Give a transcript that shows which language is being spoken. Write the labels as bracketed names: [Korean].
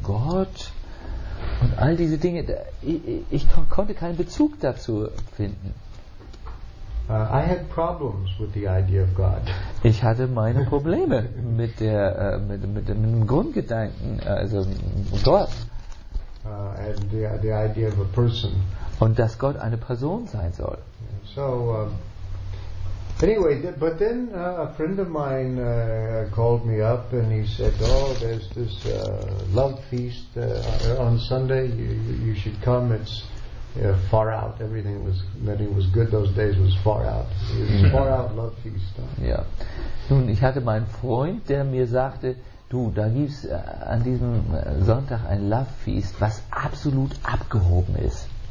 [German] Gott und all diese Dinge, ich konnte keinen Bezug dazu finden. [English] I had problems with the idea of God. [German] Ich hatte meine Probleme mit dem Grundgedanken, also Gott. [English] And the idea of a person. [German] Und dass Gott eine Person sein soll. [English] So, anyway, but then a friend of mine called me up and he said, oh, there's this love feast on Sunday, you should come, it's far out. Everything was good those days was far out. It was far out love feast. [German] Ja. Nun, ich hatte meinen Freund, der mir sagte, du, da gibt's an diesem Sonntag ein Love Feast, was absolut abgehoben ist.